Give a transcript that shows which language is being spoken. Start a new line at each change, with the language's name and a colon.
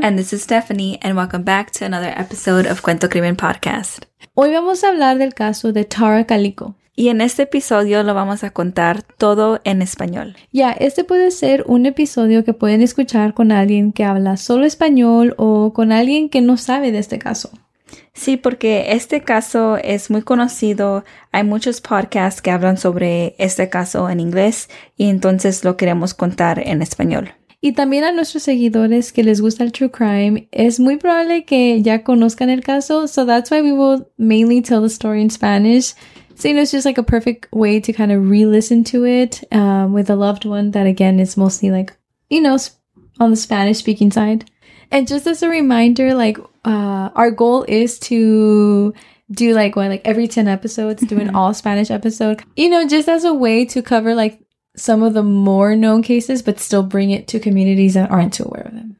English: And this is Stephanie, and welcome back to another episode of Cuento Crimen Podcast.
Spanish: Hoy vamos a hablar del caso de Tara Calico. Y en este episodio lo vamos a contar todo en español. Ya, yeah, este puede ser un episodio que pueden escuchar con alguien que habla solo español o con alguien que no sabe de este caso. Sí, porque este caso es muy conocido. Hay muchos podcasts que hablan sobre este caso en inglés y entonces lo queremos contar en español. Y también a nuestros seguidores que les gusta el true crime, es muy probable que ya conozcan el caso.
English: So that's why we will mainly tell the story in Spanish. So you know, it's just like a perfect way to kind of re-listen to it with a loved one that again is mostly like, you know, on the Spanish speaking side. And just as a reminder, like, our goal is to do like one, like every 10 episodes, do an all Spanish episode, you know, just as a way to cover like some of the more known cases, but still bring it to communities that aren't too aware of them.